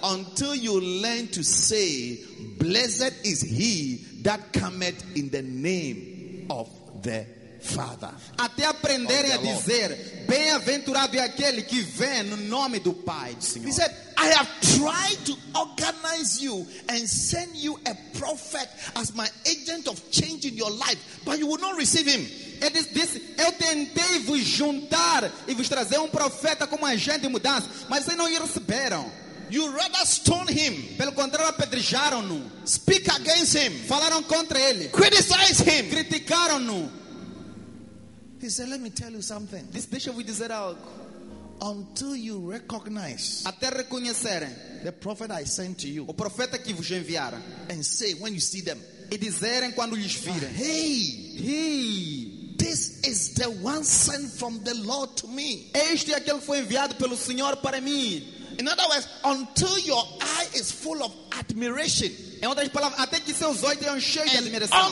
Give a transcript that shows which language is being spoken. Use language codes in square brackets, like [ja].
[en] Until you learn to say, blessed is he that cometh in the name of the Father. [pt] Até aprenderem a dizer, bem-aventurado é aquele que vem no nome do Pai, do Senhor. [en] He said, I have tried to organize you and send you a prophet as my agent of change in your life, but you will not receive him. [pt] Eu tentei vos juntar e vos trazer profeta como agente de mudança, mas vocês não o receberam. [en] You rather stone him. [pt] Pelo contrário, apedrejaram-no. [en] Speak against him. [pt] Falaram contra ele. [en] Criticize him. [pt] Criticaram-no. [en] He said, let me tell you something. [pt] Deixa eu dizer algo. [en] Until you recognize. [pt] Até reconhecerem. [en] The prophet I sent to you. [pt] O profeta que vos enviaram. [en] And say when you see them. [pt] E dizerem quando lhes virem. [en] Hey. This is the one sent from the Lord to me. [pt] Este é aquele que foi enviado pelo Senhor para mim. [en] In other words, until your eye is full of admiration. [pt] Em outras palavras, até que seus olhos tenham cheio de admiração.